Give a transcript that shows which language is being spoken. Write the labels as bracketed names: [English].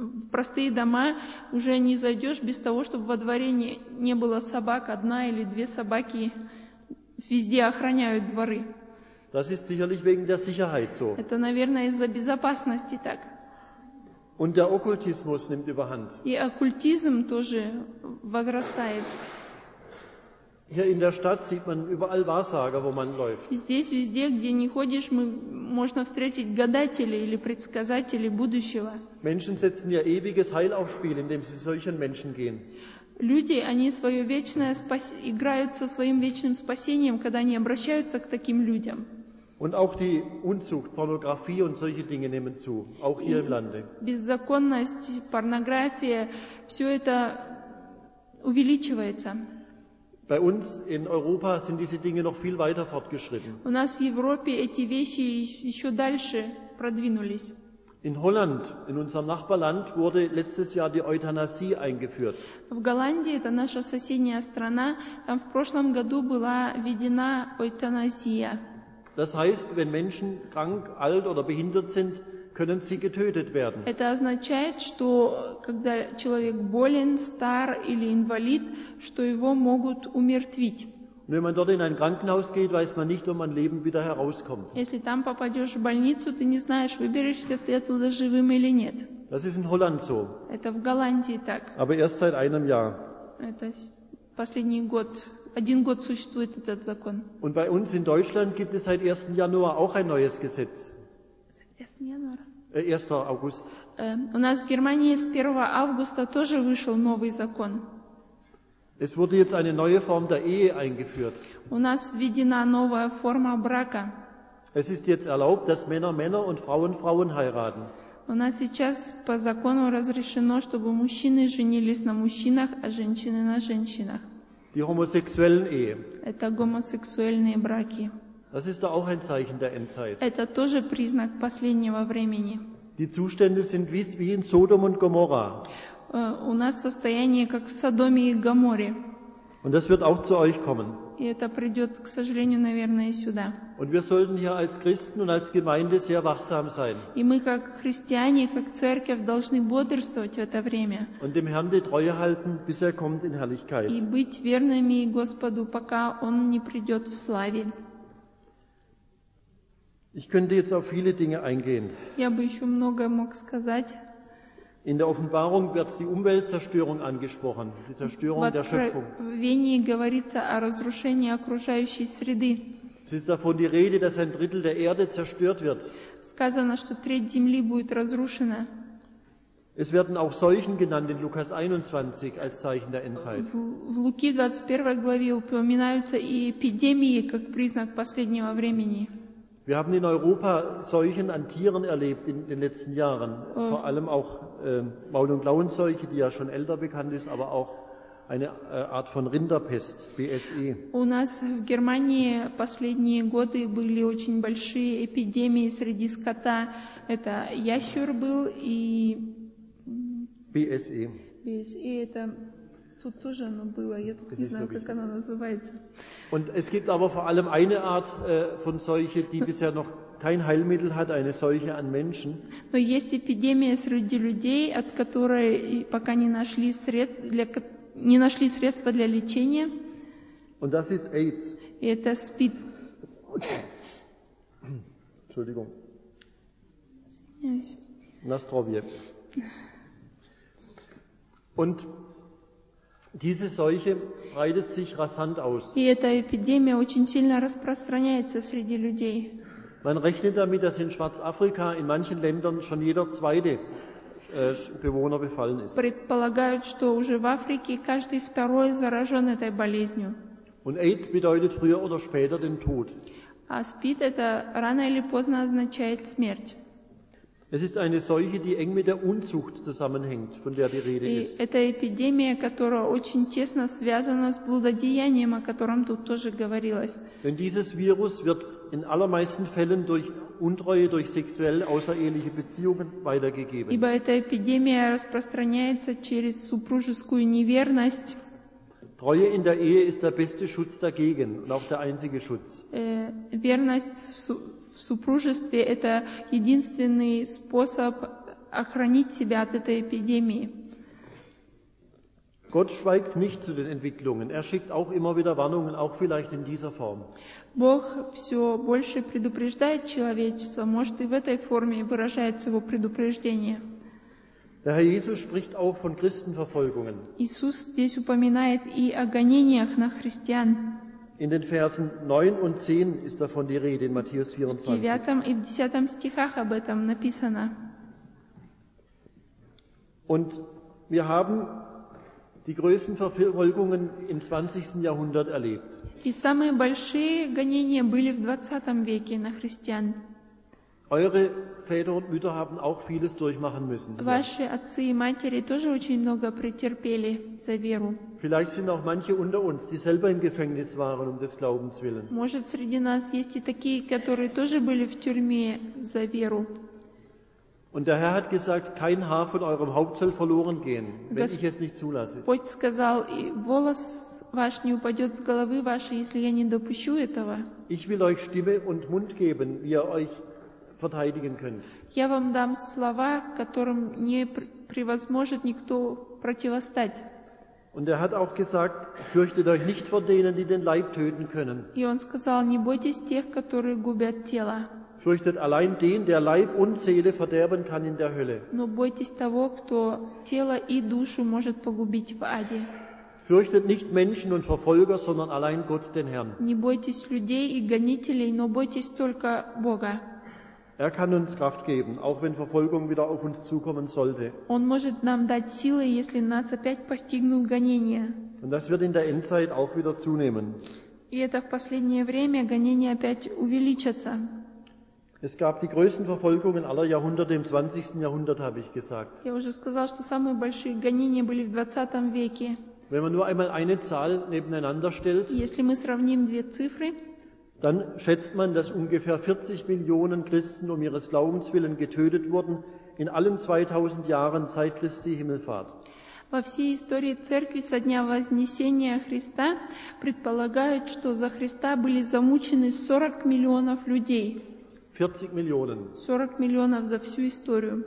[Russian] Простые дома уже не зайдешь без того, чтобы во дворе не было собак, одна или две собаки везде охраняют дворы. [German] Das ist sicherlich wegen der Sicherheit so. [Russian] Это, наверное, из-за безопасности так. [German] Und der Okkultismus nimmt überhand. [Russian] И оккультизм тоже возрастает. [German] Hier in der Stadt sieht man überall Wahrsager, wo man läuft. [Russian] Здесь, везде, где не ходишь, можно встретить гадателей или предсказателей будущего. [German] Menschen setzen ihr ewiges Heil aufs Spiel, indem sie solchen Menschen gehen. [Russian] Люди, они свое вечное играют со своим вечным спасением, когда они обращаются к таким людям. [German] Und auch die Unzucht, Pornografie und solche Dinge nehmen zu, auch hier im Lande. [Russian] Беззаконность, порнография, все это увеличивается. [German] Bei uns in Europa sind diese Dinge noch viel weiter fortgeschritten. [Russian] У нас в Европе эти вещи еще дальше продвинулись. [German] In Holland, in unserem Nachbarland, wurde letztes Jahr die Euthanasie eingeführt. [Russian] В Голландии, это наша соседняя страна, там в прошлом году была введена эвтаназия. [German] Das heißt, wenn Menschen krank, alt oder behindert sind, können sie getötet werden. [Russian] Это означает, что когда человек болен, стар или инвалид, что его могут умертвить. [German] Und wenn man dort in ein Krankenhaus geht, weiß man nicht, ob man lebend wieder herauskommt. [Russian] Если там попадешь в больницу, ты не знаешь, выберешься ты оттуда живым или нет. [German] Das ist in Holland so. [Russian] Это в Голландии так. [German] Aber erst seit einem Jahr. [Russian] Это последний год. Один год существует этот закон. [German] Und bei uns in Deutschland gibt es seit 1. Januar auch ein neues Gesetz. Seit 1. August. [Russian] У нас в Германии с 1. Августа тоже вышел новый закон. [German] Es wurde jetzt eine neue Form der Ehe eingeführt. [Russian] У нас введена новая форма брака. [German] Es ist jetzt erlaubt, dass Männer Männer und Frauen Frauen heiraten. [Russian] У нас сейчас по закону разрешено, чтобы мужчины женились на мужчинах, а женщины на женщинах. [German] Die homosexuellen Ehe. [Russian] Это гомосексуальные браки. [German] Das ist doch auch ein Zeichen der Endzeit. [Russian] Это тоже признак последнего времени. [German] Die Zustände sind wie in Sodom und Gomorra. [Russian] У нас состояние как в Содоме и Гоморре. [German] Und das wird auch zu euch kommen. [Russian] И это придет, к сожалению, наверное, сюда. [German] Und wir sollten hier als Christen und als Gemeinde sehr wachsam sein. [Russian] И мы как христиане, как церковь должны бодрствовать в это время. [German] Und dem Herrn die Treue halten, bis er kommt in Herrlichkeit. [Russian] И быть верными Господу, пока Он не придет в славе. [German] Ich könnte jetzt auf viele Dinge eingehen. [Russian] Я бы еще многое мог сказать. [German] In der Offenbarung wird die Umweltzerstörung angesprochen, die Zerstörung der Schöpfung. [Russian] В Откровении говорится о разрушении окружающей среды. [German] Es ist davon die Rede, dass ein Drittel der Erde zerstört wird. [Russian] Сказано, что треть земли будет разрушена. [German] Es werden auch Seuchen genannt in Lukas 21 als Zeichen der Endzeit. [Russian] В Луки 21 главе упоминаются и эпидемии как признак последнего времени. [German] Wir haben in Europa Seuchen an Tieren erlebt in den letzten Jahren. Vor allem auch Maul- und Lauenseuche, die ja schon älter bekannt ist, aber auch eine Art von Rinderpest, BSE. [Russian] У нас в Германии последние годы были очень большие эпидемии среди скота. Это ящер был и... BSE. BSE, это... Тут тоже оно было, я не знаю, как оно называется. [German] Und es gibt aber vor allem eine Art von Seuche, die bisher noch kein Heilmittel hat, eine Seuche an Menschen. [Russian] Но есть эпидемия среди людей, от которой пока не нашли средства для лечения. [German] Und das ist AIDS. [Russian] И это СПИД. [German] Entschuldigung. [Russian] Извиняюсь. На здоровье. [German] Und diese Seuche breitet sich rasant aus. [Russian] И эта эпидемия очень сильно распространяется среди людей. [German] Man rechnet damit, dass in Schwarzafrika in manchen Ländern schon jeder zweite Bewohner befallen ist. [Russian] Предполагают, что уже в Африке каждый второй заражен этой болезнью. [German] Und AIDS bedeutet früher oder später den Tod. [Russian] А СПИД это рано или поздно означает смерть. [German] Es ist eine Seuche, die eng mit der Unzucht zusammenhängt, von der die Rede ist. [Russian] Это эпидемия, которая очень тесно связана с блудодеянием, о котором тут тоже говорилось. [German] Denn dieses Virus wird in allermeisten Fällen durch Untreue, durch sexuell außereheliche Beziehungen weitergegeben. [Russian] Ибо эта эпидемия распространяется через супружескую неверность. [German] Treue in der Ehe ist der beste Schutz dagegen und auch der einzige Schutz. [Russian] Верность в супружестве – это единственный способ охранить себя от этой эпидемии. [German] Gott schweigt nicht zu den Entwicklungen. Er schickt auch immer wieder Warnungen, auch vielleicht in dieser Form. [Russian] Бог все больше предупреждает человечество, может и в этой форме выражается его предупреждение. [German] Der Herr Jesus spricht auch von Christenverfolgungen. [Russian] Иисус здесь упоминает и о гонениях на христиан. [German] In den Versen 9 und 10 ist davon die Rede in Matthäus 24. [Russian] В 9 и 10 стихах об этом написано. [German] Und wir haben die größten Verfolgungen im 20. Jahrhundert erlebt. [Russian] И самые большие гонения были в 20 веке на христиан. [German] Eure Väter und Mütter haben auch vieles durchmachen müssen. Hier. [Russian] Ваши отцы и матери тоже очень много претерпели за веру. [German] Vielleicht sind auch manche unter uns, die selber im Gefängnis waren, um des Glaubens willen. [Russian] Может, среди нас есть и такие, которые тоже были в тюрьме за веру. [German] Und der Herr hat gesagt, kein Haar von eurem Haupt soll verloren gehen, wenn ich es nicht zulasse. [Russian] Бог сказал, и волос ваш не упадет с головы вашей, если я не допущу этого. [German] Ich will euch Stimme und Mund geben, wie ihr euch verteidigen könnt. [Russian] Я вам дам слова, которым не превозможет никто противостать. [German] Und er hat auch gesagt, fürchtet euch nicht vor denen, die den Leib töten können. [Russian] И он сказал, не бойтесь тех, которые губят тело. [German] Fürchtet allein den, der Leib und Seele verderben kann in der Hölle. [Russian] Но бойтесь того, кто тело и душу может погубить в аде. [German] Fürchtet nicht Menschen und Verfolger, sondern allein Gott, den Herrn. [Russian] Не бойтесь людей и гонителей, но бойтесь только Бога. [German] Er kann uns Kraft geben, auch wenn Verfolgung wieder auf uns zukommen sollte. [Russian] Он может нам дать силы, если нас опять постигнут гонения. [German] Und das wird in der Endzeit auch wieder zunehmen. [Russian] И это в последнее время гонения опять увеличатся. [German] Es gab die größten Verfolgungen aller Jahrhunderte im 20. Jahrhundert, habe ich gesagt. [Russian] Я уже сказал, что самые большие гонения были в 20 веке. [German] Wenn man nur einmal eine Zahl nebeneinander stellt. [Russian] Если мы сравним две цифры. [German] Dann schätzt man, dass ungefähr 40 Millionen Christen um ihres Glaubens willen getötet wurden in allen 2000 Jahren seit Christi Himmelfahrt. [Russian] Во всей истории церкви со дня вознесения Христа предполагают, что за Христа были замучены 40 миллионов людей. [German] 40 Millionen. [Russian] 40 миллионов за всю историю.